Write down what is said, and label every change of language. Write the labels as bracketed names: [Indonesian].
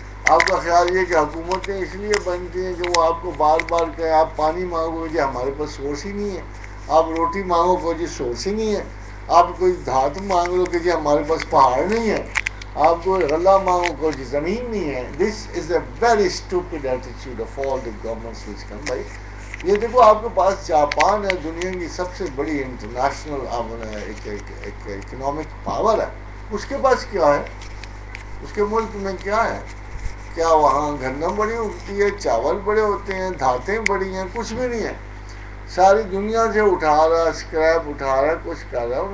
[Urdu] آپ کا خیال یہ کہ حکومتیں اس لیے بنتی ہیں کہ وہ آپ کو بار بار کہیں آپ پانی مانگو گے, ہمارے پاس سورس ہی نہیں ہے, آپ روٹی مانگو گے جی سورس ہی نہیں ہے, آپ کوئی دھات مانگ لو کہ جی ہمارے پاس پہاڑ نہیں ہے, آپ کو غلہ مانگو کہ جی زمین نہیں ہے. [English] This is a very stupid attitude of all the governments which come. [Urdu] بھائی یہ دیکھو, آپ کے پاس جاپان ہے, دنیا کی سب سے بڑی انٹرنیشنل اکنامک پاور ہے, اس کے پاس کیا ہے, اس کے ملک میں کیا ہے؟ کیا وہاں گندم بڑی اگتی ہے, چاول بڑے ہوتے ہیں, دھاتیں بڑی ہیں؟ کچھ بھی نہیں ہے, ساری دنیا سے اٹھا رہا, اسکریپ اٹھا رہا, کچھ کر رہا ہے.